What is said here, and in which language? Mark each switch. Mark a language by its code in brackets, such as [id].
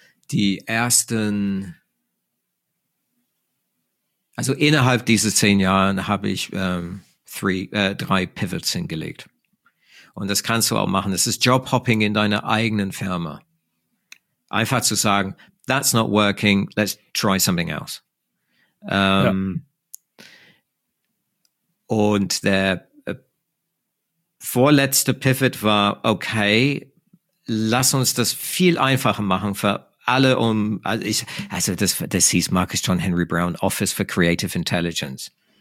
[de] Die ersten, also innerhalb dieser 10 Jahren habe ich drei Pivots hingelegt. Und das kannst du auch machen. Das ist Jobhopping in deiner eigenen Firma. Einfach zu sagen, [en] that's not working, let's try something else. [de] Und der vorletzte Pivot war, okay, lass uns das viel einfacher machen für alle das hieß Marcus John Henry Brown Office for Creative Intelligence.